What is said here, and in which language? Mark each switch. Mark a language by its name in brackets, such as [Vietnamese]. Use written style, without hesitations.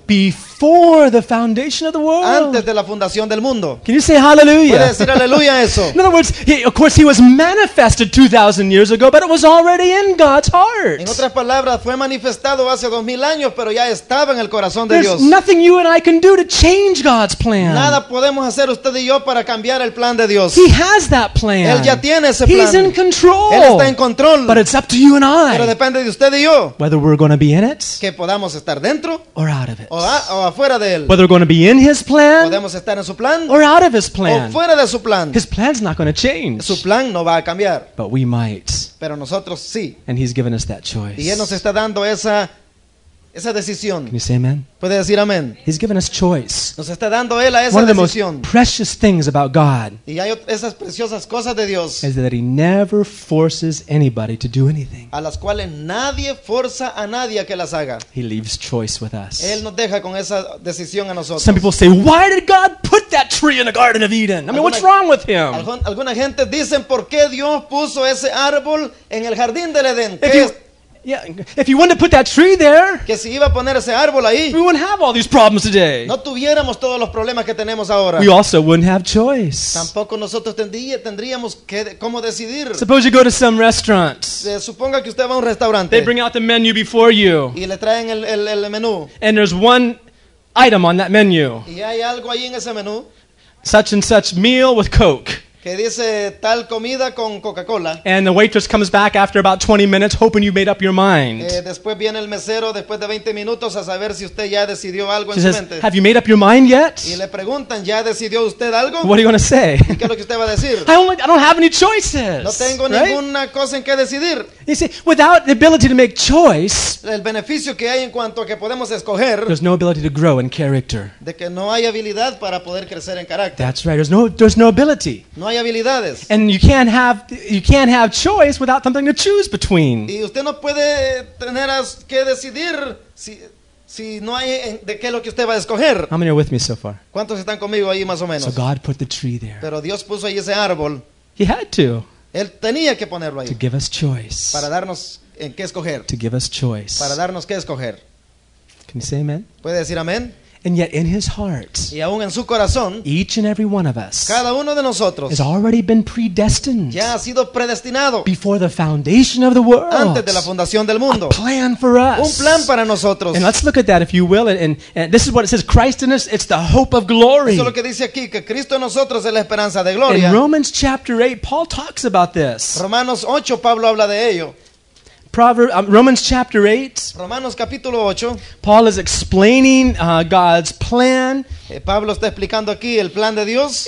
[English] Before the foundation of the world. [Spanish] Antes de la fundación del mundo. [English] Can you say hallelujah? [Spanish] ¿Puedes decir aleluya a eso? [English] In other words, of course he was manifested 2,000 years ago, but it was already in God's heart. [Spanish] En otras palabras, fue manifestado hace 2,000 años, pero ya estaba en el corazón de [English] There's There's nothing you and I can do to change God's plan. [Spanish] Nada podemos hacer usted y yo para cambiar el plan de Dios. [English] He has that plan. [Spanish] Él ya tiene ese plan. [English] He's in control. [Spanish] Él está en control. [English] But it's up to you and I. [Spanish] Pero depende de usted y yo. [English] Whether we're going to be in it. [Spanish] Que podamos estar dentro. [English] Or out of it. [Spanish] O afuera de él. [English] Whether we're going to be in his plan. [Spanish] Podemos estar en su plan. [English] Or out of his plan. [Spanish] O fuera de su plan. [English] His plan's not going to change. [Spanish] Su plan no va a cambiar. [English] But we might. [Spanish] Pero nosotros sí. [English] And he's given us that choice. [Spanish] Y él nos está dando esa decisión. [English] Can you say amen? [Spanish] ¿Puede decir amén? [English] He's given us choice. [Spanish] Nos está dando él a esa [English] One of the [Spanish] decisión. [English] Most precious things about God. [Spanish] Y hay esas preciosas cosas de Dios. [English] Is that he never forces anybody to do anything. [Spanish] A las cuales nadie forza a nadie a que las haga. [English] He leaves choice with us. [Spanish] Él nos deja con esa decisión a nosotros. [English] Some people say, why did God put that tree in the Garden of Eden? I mean, what's wrong with him? [Spanish] Alguna gente dicen, ¿por qué Dios puso ese árbol en el jardín del Edén? [English] Yeah, if you wanted to put that tree there, [Spanish] que si iba a poner ese árbol ahí, [English] we wouldn't have all these problems today. [Spanish] No tuviéramos todos los problemas que tenemos ahora. [English] We also wouldn't have choice. [Spanish] Tampoco nosotros tendríamos cómo decidir. [English] Suppose you go to some restaurant. [Spanish] Suponga que usted va a un restaurante. [English] They bring out the menu before you. [Spanish] Y le traen el menú. [English] And there's one item on that menu. [Spanish] Y hay algo ahí en ese menú. [English] Such and such meal with Coke. [Spanish] Que dice tal comida con Coca-Cola. [English] And the waitress comes back after about 20 minutes hoping you made up your mind. [Spanish] Después viene el mesero después de 20 minutos a saber si usted ya decidió algo [English] She [Spanish] su mente. [English] Have you made up your mind yet? [Spanish] Y le preguntan, ¿ya decidió usted algo? [English] What are you going to say? [Spanish] ¿Qué es lo que usted va a decir? [English] I don't have any choices. [Spanish] No tengo [English] right? [Spanish] ninguna cosa en qué decidir. [English] You see, without the ability to make choice, [Spanish] el beneficio que hay en cuanto a que podemos escoger, [English] there's no ability to grow in character. [Spanish] De que no hay habilidad para poder crecer en carácter. [English] That's right. There's no ability. [Spanish] No hay habilidades. [English] And you can't have choice without something to choose between. [Spanish] Y usted no puede tener que decidir si no hay de qué lo que usted va a escoger. [English] How many are with me so far? [Spanish] ¿Cuántos están conmigo ahí más o menos? [English] So God put the tree there. [Spanish] Pero Dios puso ahí ese árbol. [English] He had to. [Spanish] Él tenía que ponerlo ahí. [English] To give us choice. [Spanish] Para darnos en qué escoger. [English] To give us choice. [Spanish] Para darnos qué escoger. [English] Can you say amen? [Spanish] ¿Puede decir amén? [English] And yet in his heart, [Spanish] y aún en su corazón, [English] each and every one of us, [Spanish] cada uno de nosotros, [English] has already been predestined, [Spanish] ya ha sido predestinado, [English] before the foundation of the world, [Spanish] antes de la fundación del mundo, [English] a plan for us, [Spanish] un plan para nosotros. [English] And let's look at that if you will, and this is what it says, Christ in us, it's the hope of glory. [Spanish] Eso es lo que dice aquí, que Cristo en nosotros es la esperanza de gloria. [English] In Romans chapter 8, Paul talks about this. [Spanish] Romanos 8, Pablo habla de ello. [English] Romans chapter 8. [Spanish] Romanos capítulo 8. [English] Paul is explaining God's plan. [Spanish] Pablo está explicando aquí el plan de Dios.